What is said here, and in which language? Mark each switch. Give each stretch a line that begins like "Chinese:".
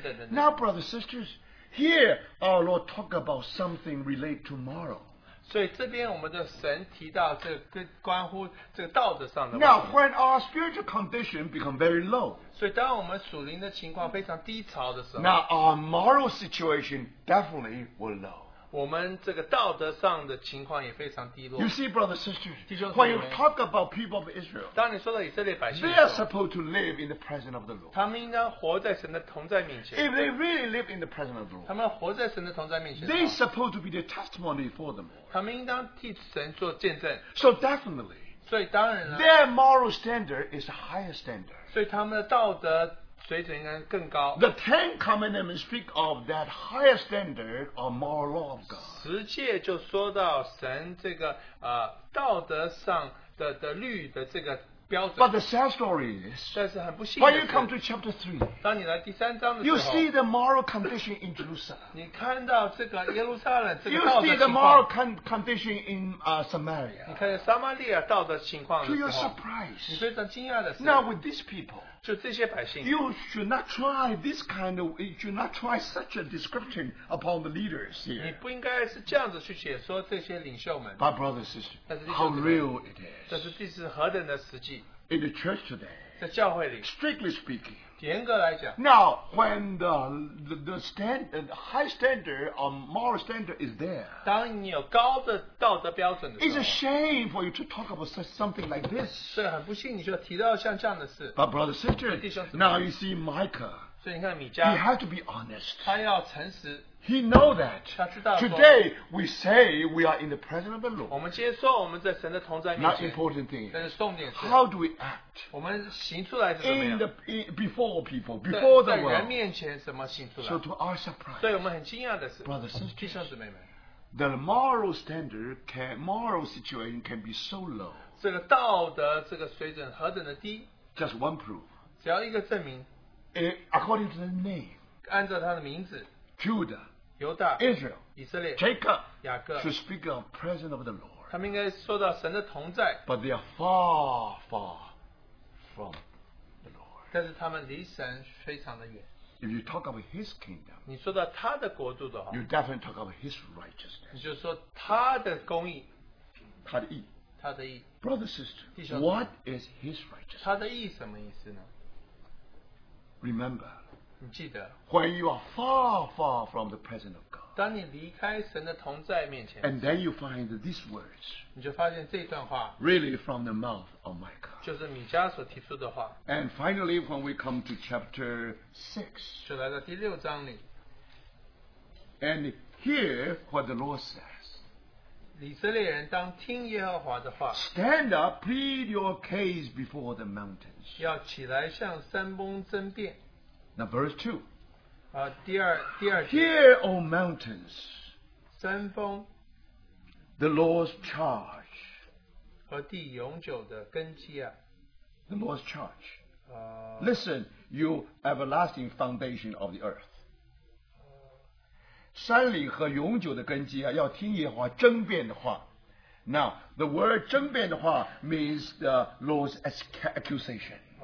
English: Now, brothers and sisters, here our Lord talk about something related to moral. Now, when our spiritual condition becomes very low, now our moral situation definitely will low.
Chinese: 我们这个道德上的情况也非常低落。
English: You see, brothers and sisters, when you talk about people of Israel,
Chinese: 当你说到以色列百姓的时候,
English: they are supposed to live in the presence of the Lord.
Chinese: 他们应该活在神的同在面前。
English: If they really live in the presence of the Lord,
Chinese: 他们活在神的同在面前的话,
English: they are supposed to be the testimony for the Lord.
Chinese: 他们应当替神做见证。
English: So definitely,
Chinese: 所以当然了,
English: their moral standard is the highest standard.
Chinese: 所以他们的道德,
English: The Ten Commandments speak of that higher standard of moral law of God.
Chinese: 十诫就说到神这个, 道德上的律的这个标准。
English: But the sad story is,
Chinese: 但是很不幸的是,
English: when you come to chapter 3,
Chinese: 当你来第三章的时候,
English: you see the moral condition in Jerusalem.
Chinese: 你看到这个耶路撒冷这个道德情况,
English: you see the moral condition in Samaria.
Chinese: 你看到撒玛利亚道德情况的时候,
English: to your surprise,
Chinese: 你非常惊讶的是,
English: now with these people,
Chinese: 就这些百姓,
English: you should not try this kind of, you should not try such a description upon the leaders here.
Chinese: 你不应该是这样子去解说这些领袖们,
English: but brothers and sisters, how real it is.
Chinese: 但是这是何等的实际,
English: in the church today,
Chinese: 在教会里,
English: strictly speaking,
Chinese: 严格来讲,
English: now, when the high standard or moral standard is there,
Chinese: 当你有高的道德标准的时候,
English: it's a shame for you to talk about something like this.
Chinese: 是很不幸你就提到像这样的事。
English: But brothers and sisters, now you see Micah,
Chinese: 所以你看米迦,
English: he had to be honest.
Chinese: 他要诚实,
English: he know that.
Chinese: 他知道说,
English: today we say we are in the presence of the Lord.
Chinese: 我们接受我们在神的同在面前,
English: not important thing.
Chinese: 但是重点是,
English: how do we act?
Chinese: 我们行出来是怎么样?
English: Before people, before the world.
Chinese: 在人面前怎么行出来?
English: So to our surprise,
Chinese: 对我们很惊讶的是,
English: brothers and sisters,
Chinese: 弟兄姊妹们,
English: the moral standard, can, moral situation can be so low.
Chinese: 这个道德这个水准何等的低?
English: Just one proof.
Chinese: 只要一个证明,
English: according to the name,
Chinese: 按照他的名字,
English: Judah,
Chinese: 犹大,
English: Israel,
Chinese: 以色列,
English: Jacob,
Chinese: 雅各,
English: should speak of the presence of the Lord.
Chinese: 他们应该说到神的同在,
English: but they are far, far from the Lord.
Chinese: 但是他们离神非常的远。
English: If you talk about his kingdom,
Chinese: 你说到他的国度的话,
English: you definitely talk about his righteousness.
Chinese: 你就说他的公义, 他的义, 他的义。
English: Brother, sister,
Chinese: 弟兄,
English: what is his righteousness?
Chinese: 他的义什么意思呢?
English: Remember,
Chinese: 你记得,
English: when you are far, far from the presence of God,
Chinese: 当你离开神的同在面前,
English: and then you find these words,
Chinese: 你就发现这段话,
English: really from the mouth of Micah,
Chinese: 就是米迦所提出的话,
English: and finally, when we come to chapter 6,
Chinese: 就来到第六章里,
English: and hear what the Lord says,
Chinese: 以色列人当听耶和华的话,
English: stand up, plead your case before the mountain,
Chinese: 要起来向山峰争辩。
English: Now verse 2.
Chinese: 第二,
English: hear, O mountains,
Chinese: 山峰,
English: the Lord's charge,
Chinese: 和地永久的根基啊,
English: the Lord's charge. Listen, you everlasting foundation of the earth.
Chinese: 山岭和永久的根基啊, 要听耶和华争辩的话。
English: Now, the word
Chinese: 争辩的话
English: means the Lord's accusation.